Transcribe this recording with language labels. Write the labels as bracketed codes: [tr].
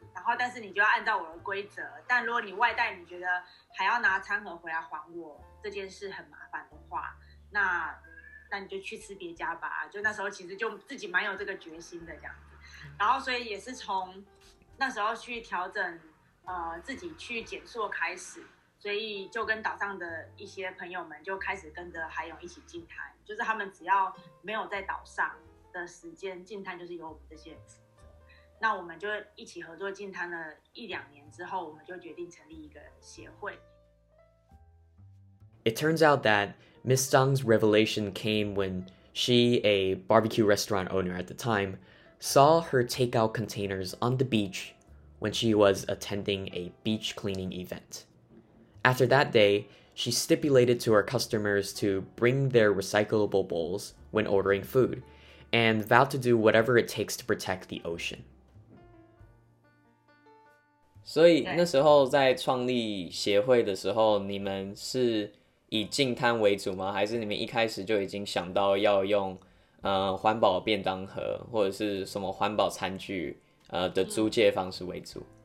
[zh] 然后，但是你就要按照我的规则。但如果你外带，你觉得还要拿餐盒回来还我，这件事很麻烦的话，那你就去吃别家吧。就那时候其实就自己蛮有这个决心的这样子。然后，所以也是从那时候去调整自己去减塑开始，所以就跟岛上的一些朋友们就开始跟着海泳一起进滩，就是他们只要没有在岛上。的时间净滩就是由我们这些人负责。那我们就一起合作净滩了一两年之后，我们就决定成立一个协会。 [en] It turns out that Ms. Dung's revelation came when she, a barbecue restaurant owner at the time, saw her takeout containers on the beach when she was attending a beach cleaning event. After that day, she stipulated to her customers to bring their recyclable bowls when ordering food and vowed to do whatever it takes to protect the ocean. [zh] 所以那时候在创立协会的时候，你们是以净滩为主吗？还是你们一开始就已经想到要用环保便当盒或者是什么环保餐具的租借方式为主？